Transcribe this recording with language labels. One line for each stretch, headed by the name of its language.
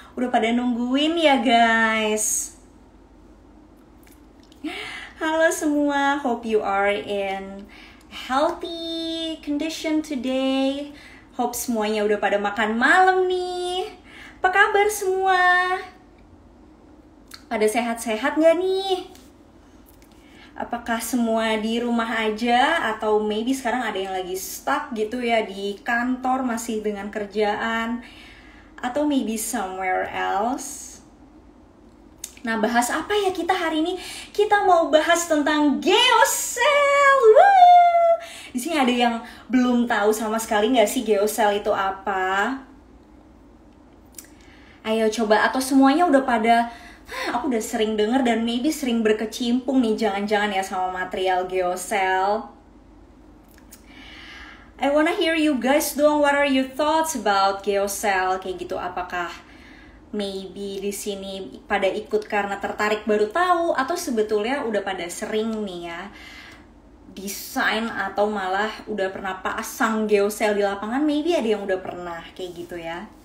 Indonesian: Udah pada nungguin ya guys. Halo semua,
English: hope you are in healthy condition today.
Indonesian: Hope semuanya udah pada makan malam nih. Apa kabar semua? Pada sehat-sehat gak nih? Apakah semua di rumah aja? Atau maybe sekarang ada yang lagi stuck gitu ya di kantor masih dengan kerjaan? Atau
English: maybe somewhere else?
Indonesian: Nah, bahas apa ya kita hari ini? Kita mau bahas tentang geosel. Di sini ada yang belum tahu sama sekali nggak sih geosel itu apa? Ayo coba, atau semuanya udah pada, aku udah sering dengar dan maybe sering berkecimpung nih, jangan-jangan ya sama material geosel.
English: I wanna hear you guys
Indonesian: doang,
English: what are your thoughts about geosel?
Indonesian: Kayak gitu, apakah maybe di sini pada ikut karena tertarik baru tahu atau sebetulnya udah pada sering nih ya desain atau malah udah pernah pasang geosel di lapangan, maybe ada yang udah pernah kayak gitu ya.